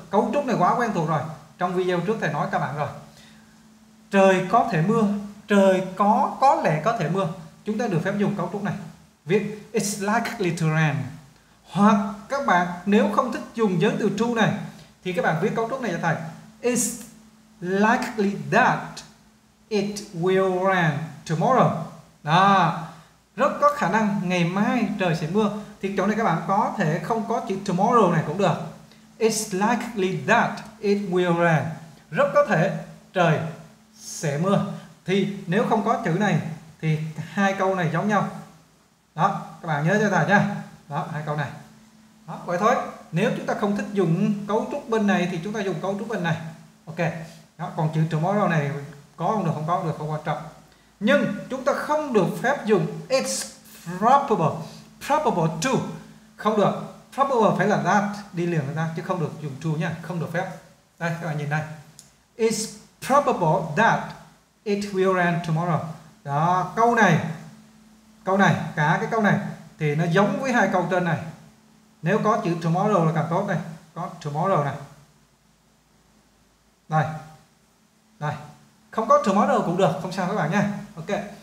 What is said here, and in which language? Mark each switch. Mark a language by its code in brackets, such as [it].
[vi] Cấu trúc này quá quen thuộc rồi. Trong video trước thầy nói các bạn rồi. Trời có thể mưa, trời có lẽ có thể mưa. Chúng ta được phép dùng cấu trúc này. Viết [en] it's likely to rain. [vi] Hoặc các bạn nếu không thích dùng giới từ to này thì các bạn viết cấu trúc này cho thầy. [en] It's likely that it will rain tomorrow. [vi] Đó. Rất có khả năng ngày mai trời sẽ mưa. Thì chỗ này các bạn có thể không có chữ tomorrow này cũng được. [en] It's likely that it will rain. [vi] Rất có thể trời sẽ mưa. Thì nếu không có chữ này thì hai câu này giống nhau. Đó, các bạn nhớ cho thầy nha. Đó, hai câu này. Đó, vậy thôi. Nếu chúng ta không thích dùng cấu trúc bên này thì chúng ta dùng cấu trúc bên này. Ok. Đó, còn chữ tomorrow này có không được, không có được, không quan trọng. Nhưng chúng ta không được phép dùng [en] it's probable to. [vi] Không được. Probable phải là that, đi liền với that, chứ không được dùng to nha, không được phép. Đây, các bạn nhìn đây. [en] It's probable that it will rain tomorrow. [vi] Đó, câu này, cả cái câu này, thì nó giống với hai câu trên này. Nếu có chữ tomorrow là càng tốt đây. Có tomorrow này. Đây. Không có tomorrow cũng được, không sao các bạn nha. Ok.